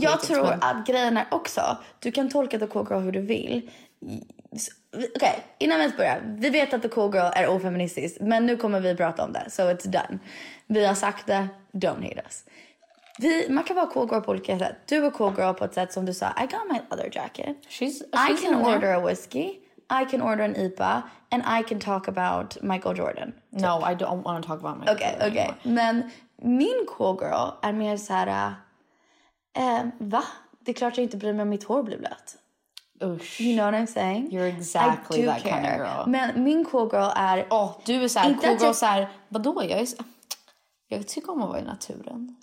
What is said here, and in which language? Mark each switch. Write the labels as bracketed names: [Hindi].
[Swedish] Jag tror att grejen är också. Du kan tolka the cool girl hur du vill. Okej, okay. Innan vi börjar. Vi vet att the cool girl är ofeministisk. Men nu kommer vi prata om det. [English] So it's done. [Swedish] Vi har sagt det. [English] Don't hate us. [Swedish] Man kan vara cool girl på olika sätt. Du är cool girl på ett sätt som du sa. [English] I got my other jacket. She's I can order a whisky. I can order an IPA and I can talk about Michael Jordan. Typ. No, I don't want to talk about Michael Jordan. Okay, okay. [Swedish] Men min cool girl är mer så här, va? Det är klart jag inte bryr mig om mitt hår blir blött. Usch. [English] You know what I'm saying? You're exactly that care. Kind of girl. [Swedish] Men min cool girl är... Oh, du är så här, cool girl så här, vadå? Jag tycker om att vara i naturen.